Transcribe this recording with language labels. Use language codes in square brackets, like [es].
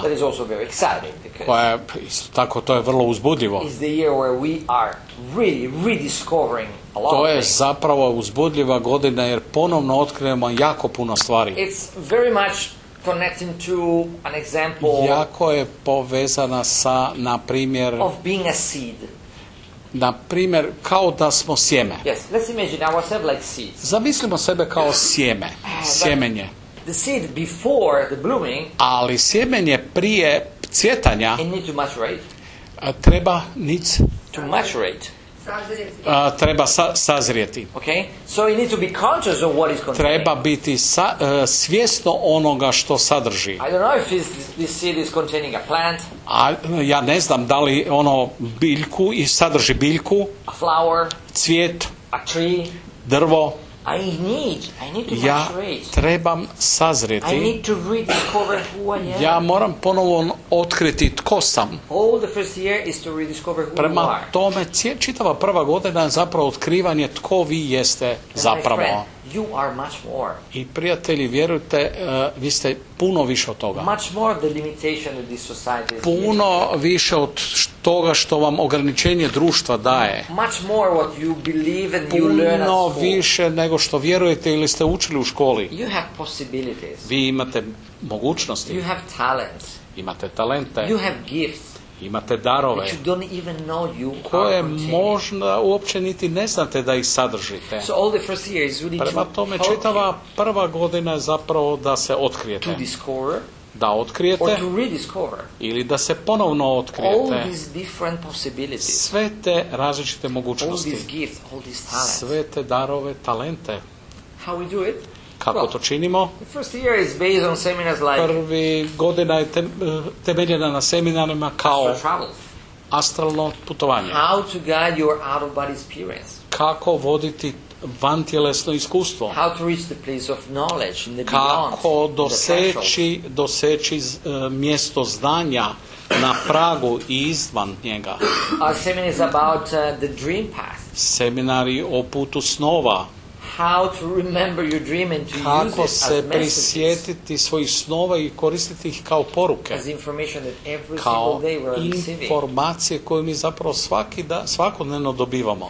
[en] That is also very exciting because. [hr] Koja isto tako to je vrlo uzbudljivo. [en] Is the year where we are really rediscovering a lot. [hr] To je zapravo uzbudljiva godina jer ponovno otkrivamo jako puno stvari. [en] It's very much connecting to an example. [hr] Jako je povezana sa, na primjer, [en] of being a seed. [hr] Na primjer, kao da smo sjeme. [en] Yes, let's imagine ourselves like seeds. [hr] Zamislimo sebe kao sjeme, sjemenje. [en] The seed before the blooming. [hr] Ali sjemenje prije cvjetanja. [en] It needs to maturate. [hr] Treba nic. [en] To maturate. [hr] Treba sazrijeti. [en] Okay. So you need to be conscious of what is contained. [hr] Treba biti svjesno onoga što sadrži. [en] I don't know if this seed is containing a plant. [hr] Ja ne znam da li ono biljku i sadrži biljku. [en] A flower. [hr] Cvijet. [en] A tree. [hr] Drvo. [en] I need to [hr] ja trebam sazrijeti. [en] I need to rediscover who I am. [hr] Ja moram ponovo otkriti tko sam. [en] All the first year is to rediscover who [hr] prema [en] you are. [hr] Tome čitava prva godina je zapravo otkrivanje tko vi jeste zapravo. [en] Friend, you are much more. [hr] I prijatelji, vjerujte, vi ste puno više od toga. [en] Much more the limitation of this society. [hr] Puno više od toga što vam ograničenje društva daje. [en] Much more what you believe and [hr] puno [en] you learn at school. [hr] Više nego što vjerujete ili ste učili u školi. [en] You have possibilities. [hr] Vi imate mogućnosti. [en] You have talent. [hr] Imate talente. [en] You have gifts. [hr] Imate darove. [en] But you don't even know you [hr] koje možda uopće niti ne znate da ih sadržite. [en] So all the first year is really [hr] prema tome čitava prva godina je zapravo da se otkrijete. [en] To discover. [hr] Da otkrijete, [en] or to rediscover, [hr] ili da se ponovno otkrijete, [en] all these different possibilities, [hr] sve te različite mogućnosti, [en] all these gifts, all these talents, [hr] sve te darove, talente. [en] How we do it? [hr] Kako [en] well, [hr] to činimo? [en] The first year is based on seminars like [hr] prvi godina je temeljena na seminarima kao [en] astral travel, [hr] astralno putovanje, [en] how to guide your out of body experience, [hr] kako voditi vantjelesno iskustvo. [en] How to reach the place of knowledge in the [hr] kako doseći mjesto znanja na pragu i izvan njega. [en] Our seminar is about the dream path. [hr] Seminari o putu snova. [en] How to remember your dream and to use it as messages. [hr] Kako se prisjetiti svojih snova i koristiti ih kao poruke. [en] As information that every single day we're receiving. [hr] Kao informacije koje mi zapravo svakodnevno dobivamo.